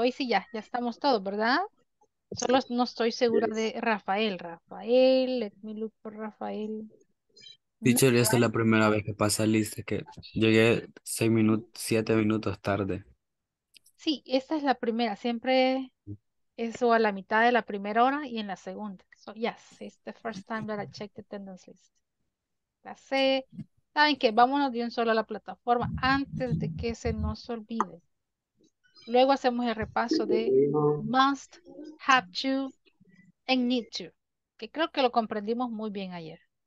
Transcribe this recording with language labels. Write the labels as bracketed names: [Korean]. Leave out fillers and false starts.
[Spanish] Hoy sí ya estamos todos, ¿verdad? Solo no estoy segura de Rafael. [English] Rafael, let me look por Rafael. [Spanish] Dicho, ¿no? Esta es la primera vez que pasa lista, que llegué 7 minutos tarde. Sí, esta es la primera. Siempre es a la mitad de la primera hora y en la segunda. [English] Yes, it's the first time that I checked the attendance list. [Spanish] La sé. ¿Saben qué? Vámonos de un solo a la plataforma antes de que se nos olvide. Luego hacemos el repaso de must, have to, and need to. Que creo que lo comprendimos muy bien ayer.